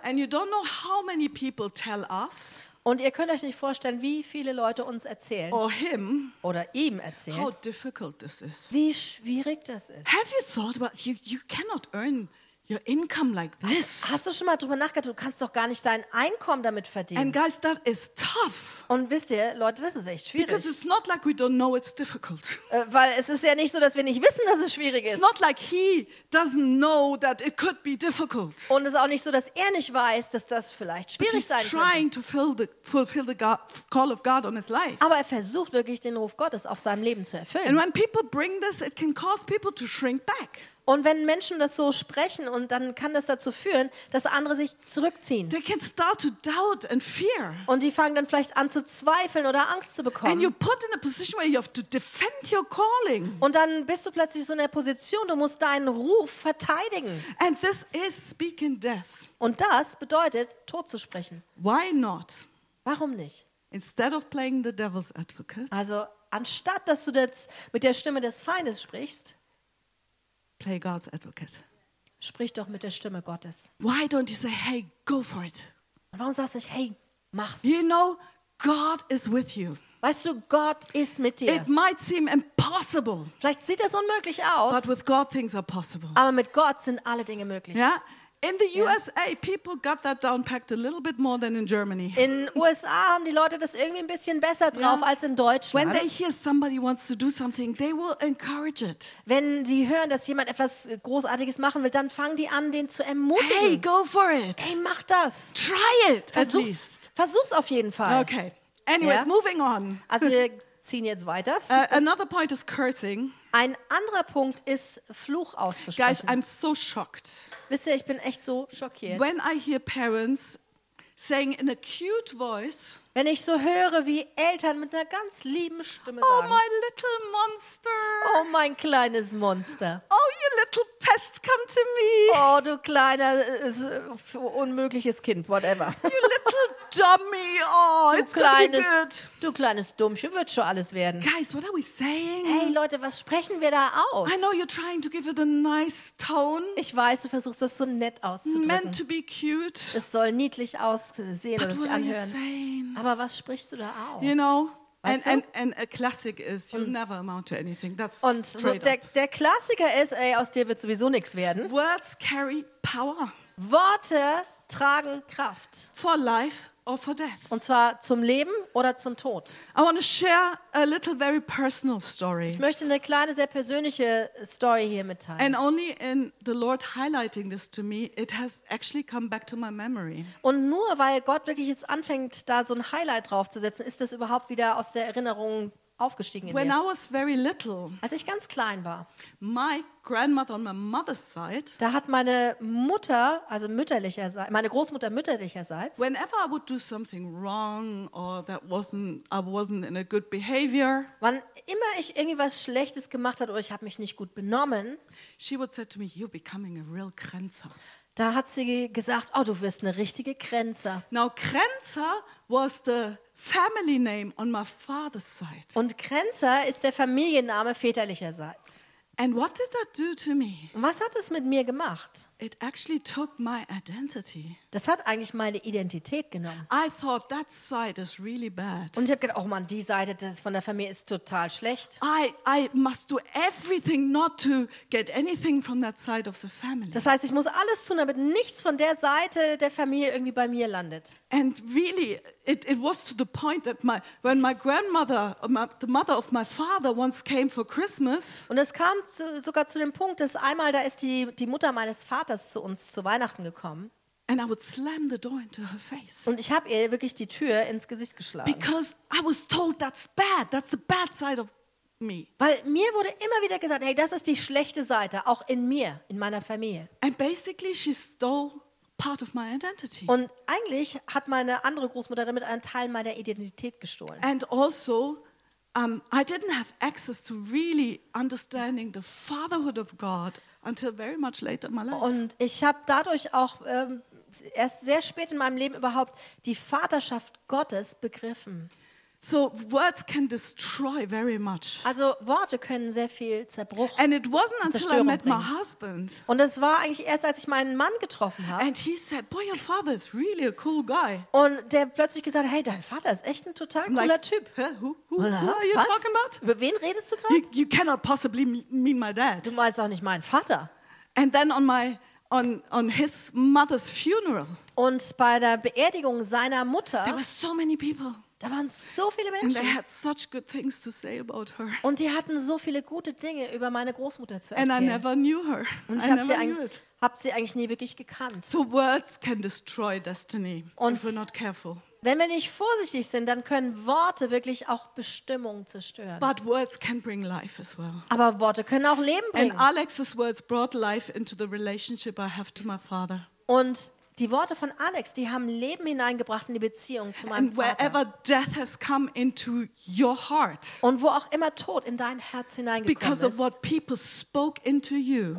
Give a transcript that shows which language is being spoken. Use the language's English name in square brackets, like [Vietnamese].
[English] And you don't know how many people tell us. [German] Und ihr könnt euch nicht vorstellen, wie viele Leute uns erzählen. [English] Or him. [German] Oder ihm erzählen. [English] How difficult this is. [German] Wie schwierig das ist. [English] Have you thought about you cannot earn your income like this? [German] Hast du schon mal drüber nachgedacht? Du kannst doch gar nicht dein Einkommen damit verdienen. [English] And guys, that is tough. [German] Und wisst ihr, Leute, das ist echt schwierig. [English] Because it's not like we don't know it's difficult. [German] Weil es ist ja nicht so, dass wir nicht wissen, dass es schwierig ist. [English] It's not like he doesn't know that it could be difficult. [German] Und es ist auch nicht so, dass er nicht weiß, dass das vielleicht schwierig sein könnte. [English] Trying to fulfill the call of God on his life. [German] Aber er versucht wirklich, den Ruf Gottes auf seinem Leben zu erfüllen. [English] And when people bring this, it can cause people to shrink back. [German] Und wenn Menschen das so sprechen, und dann kann das dazu führen, dass andere sich zurückziehen. [English] They can start to doubt and fear. [German] Und die fangen dann vielleicht an zu zweifeln oder Angst zu bekommen. [English] And you're put in a position where you have to defend your calling. [German] Und dann bist du plötzlich so in der Position, du musst deinen Ruf verteidigen. [English] And this is speaking death. [German] Und das bedeutet, tot zu sprechen. [English] Why not? [German] Warum nicht? [English] Instead of playing the devil's advocate. [German] Also anstatt, dass du jetzt mit der Stimme des Feindes sprichst, [English] play God's advocate. [German] Sprich doch mit der Stimme Gottes. [English] Why don't you say, hey, go for it? [German] Und warum sagst du nicht, hey, mach's? [English] You know, God is with you. [German] Weißt du, Gott ist mit dir. [English] It might seem impossible. [German] Vielleicht sieht das unmöglich aus. [English] But with God, things are possible. [German] Aber mit Gott sind alle Dinge möglich. [English] Yeah? In the USA, yeah. People got that down packed a little bit more than in Germany. [German] In USA haben die Leute das irgendwie ein bisschen besser drauf, yeah, als in Deutschland. [English] When they hear somebody wants to do something, they will encourage it. [German] Wenn sie hören, dass jemand etwas Großartiges machen will, dann fangen die an, den zu ermutigen. [English] Hey, go for it. [German] Hey, mach das. [English] Try it, at least. [German] Versuch's auf jeden Fall. [English] Okay. Anyways, yeah. Moving on. [German] Also wir ziehen jetzt weiter. [English] Another point is cursing. [German] Ein anderer Punkt ist, Fluch auszusprechen. [English] Guys, I'm so shocked. [German] Wisst ihr, ich bin echt so schockiert. [English] When I hear parents saying in a cute voice, [German] wenn ich so höre, wie Eltern mit einer ganz lieben Stimme oh, sagen, [English] oh, my little monster. [German] Oh, mein kleines Monster. [English] Oh, you little pest, come to me. [German] Oh, du kleiner, unmögliches Kind, [English] whatever. You little dummy, oh, [German] du [English] it's [German] kleines, [English] gonna be good. [German] Du kleines Dummchen, wird schon alles werden. [English] Guys, what are we saying? [German] Hey, Leute, was sprechen wir da aus? [English] I know you're trying to give it a nice tone. [German] Ich weiß, du versuchst, das so nett auszudrücken. [English] Meant to be cute. [German] Es soll niedlich aussehen oder sich anhören. [English] But what are you saying? [German] Aber was sprichst du da aus? [English] You know, and a classic is, you'll never amount to anything. That's [German] und [English] straight [German] so der Klassiker ist, ey, aus dir wird sowieso nichts werden. [English] Words carry power. [German] Worte tragen Kraft. [English] For life or for death. [German] Und zwar zum Leben oder zum Tod. [English] I want to share a little very personal story. [German] Ich möchte eine kleine, sehr persönliche Story hier mitteilen. [English] And only in the Lord highlighting this to me, it has actually come back to my memory. [German] Und nur weil Gott wirklich jetzt anfängt, da so ein Highlight draufzusetzen, ist das überhaupt wieder aus der Erinnerung aufgestiegen in [English] when [German] mir. [English] I was very little, [German] als ich ganz klein war, [English] my grandmother on my mother's side, [German] da hat meine Mutter, also mütterlicherseits, meine Großmutter mütterlicherseits, [English] whenever I would do something wrong or that wasn't, I wasn't in a good behavior, [German] wann immer ich irgendwas Schlechtes gemacht hat oder ich habe mich nicht gut benommen, [English] she would say to me, you're becoming a real Kränzer. [German] Da hat sie gesagt, oh, du wirst eine richtige Kränzer. [English] Now Kränzer was the family name on my father's side. [German] Und Kränzer ist der Familienname väterlicherseits. [English] And what did that do to me? [German] Was hat es mit mir gemacht? [English] It actually took my identity. [German] Das hat eigentlich meine Identität genommen. [English] I thought that side is really bad. [German] Und ich habe gedacht, oh Mann, die Seite des von der Familie ist total schlecht. [English] I must do everything not to get anything from that side of the family. [German] Das heißt, ich muss alles tun, damit nichts von der Seite der Familie irgendwie bei mir landet. [English] And really, it was to the point that when my grandmother, the mother of my father, once came for Christmas. [German] Und es kam sogar zu dem Punkt, dass einmal da ist die Mutter meines Vaters zu uns zu Weihnachten gekommen. [English] And I would slam the door into her face. [German] Und ich habe ihr wirklich die Tür ins Gesicht geschlagen. [English] Because I was told that's bad. That's the bad side of me. [German] Weil mir wurde immer wieder gesagt, hey, das ist die schlechte Seite, auch in mir, in meiner Familie. [English] And basically she stole part of my identity. [German] Und eigentlich hat meine andere Großmutter damit einen Teil meiner Identität gestohlen. [English] And also I didn't have access to really understanding the fatherhood of God until very much later in my life. [German] Und ich habe dadurch auch erst sehr spät in meinem Leben überhaupt die Vaterschaft Gottes begriffen. [English] So words can destroy very much. [German] Also Worte können sehr viel Zerbruch. [English] And it wasn't until I met my husband. [German] Und es war eigentlich erst, als ich meinen Mann getroffen habe. [English] And he said, "Boy, your father is really a cool guy." [German] Und der plötzlich gesagt hat, hey, dein Vater ist echt ein total cooler Typ. [English] Who are you talking about? [German] Über wen redest du gerade? [English] You cannot possibly mean my dad. [German] Du meinst auch nicht meinen Vater. [English] And then on his mother's funeral. [German] Und bei der Beerdigung seiner Mutter. [English] There were so many people. [German] Da waren so viele Menschen. [English] And they had such good things to say about her. [German] Und die hatten so viele gute Dinge über meine Großmutter zu erzählen. [English] And I never knew her. [German] Und ich hab sie eigentlich nie wirklich gekannt. [English] So words can destroy destiny if we're not careful. [German] Wenn wir nicht vorsichtig sind, dann können Worte wirklich auch Bestimmung zerstören. [English] But words can bring life as well. [German] Aber Worte können auch Leben bringen. [English] And Alex's words brought life into the relationship I have to my father. [German] Und die Worte von Alex, die haben Leben hineingebracht in die Beziehung zu meinem Vater. [English] And wherever death has come into your heart. [German] Und wo auch immer Tod in dein Herz hineingekommen ist. [English] Because of what people spoke into you.